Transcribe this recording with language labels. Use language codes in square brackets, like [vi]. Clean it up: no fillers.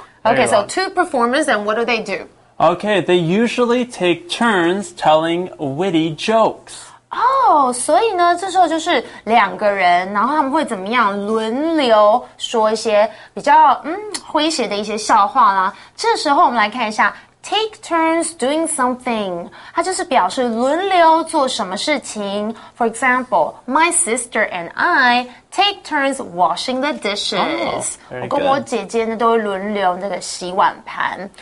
[en] Okay, so two performers, and what do they do? Okay, they usually take turns telling witty jokes. [zh] Oh, 所以呢，这时候就是两个人，然后他们会怎么样轮流说一些比较诙谐的一些笑话啦。这时候我们来看一下 [en] Take turns doing something. [zh] 它就是表示轮流做什么事情。 [en] For example, my sister and I take turns washing the dishes. Oh, [zh] 我跟我姐姐呢都会轮流那个洗碗盘。